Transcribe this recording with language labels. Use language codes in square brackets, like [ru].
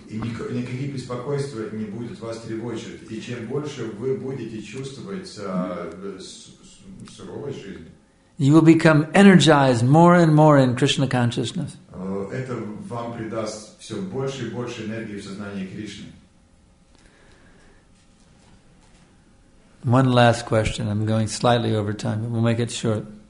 [ru] никакие беспокойства не будут вас тревожить. И чем больше вы будете чувствовать суровой жизни, [en] you will become energized more and more in Krishna consciousness. [ru] Это вам придаст все больше и больше энергии в сознании Кришны. [en] One last question. I'm going slightly over time, but we'll make it short.